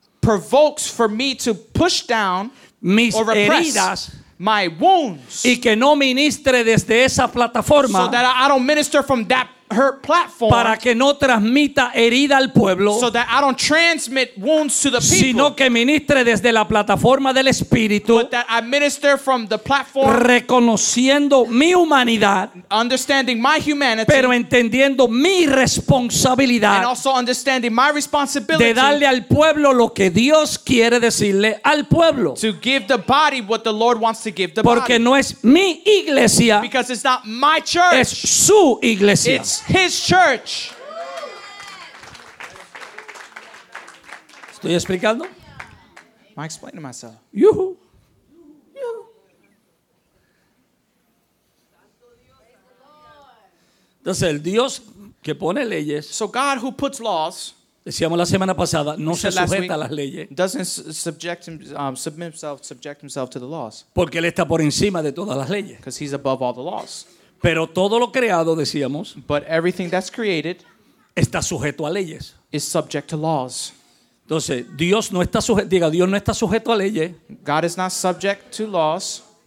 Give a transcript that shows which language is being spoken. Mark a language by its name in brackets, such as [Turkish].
[English] provokes for me to push down [Spanish] mis [English] or repress [Spanish] heridas, [English] my wounds, [Spanish] y que no ministre desde esa plataforma, [English] so that I don't minister from that hurt platform, [Spanish] para que no transmita herida al pueblo, [English] so that I don't transmit wounds to the people, [Spanish] sino que ministre desde la plataforma del espíritu, [English] but that I minister from the platform, [Spanish] reconociendo mi humanidad, [English] understanding my humanity, [Spanish] pero entendiendo mi responsabilidad, [English] and also understanding my responsibility, [Spanish] de darle al pueblo lo que Dios quiere decirle al pueblo, [English] to give the body what the Lord wants to give the [Spanish] porque porque no es mi iglesia, [English] because it's not my church, [Spanish] es su iglesia. [English] It's His church. [Spanish] ¿Estoy explicando? [English] Am I explaining myself? Yuhu. [Spanish] Entonces, el Dios que pone leyes, [English] so God who puts laws, [Spanish] decíamos la semana pasada, no se sujeta a las leyes, [English] doesn't subject him, subject himself to the laws, [Spanish] porque él está por encima de todas las leyes, [English] because he's above all the laws. [Spanish] Pero todo lo creado, decíamos, [English] but everything that's created, [Spanish] está sujeto a leyes, [English] is subject to laws. [Spanish] Entonces, Dios no está sujeto, diga, Dios no está sujeto a leyes. [English] God is not subject to laws.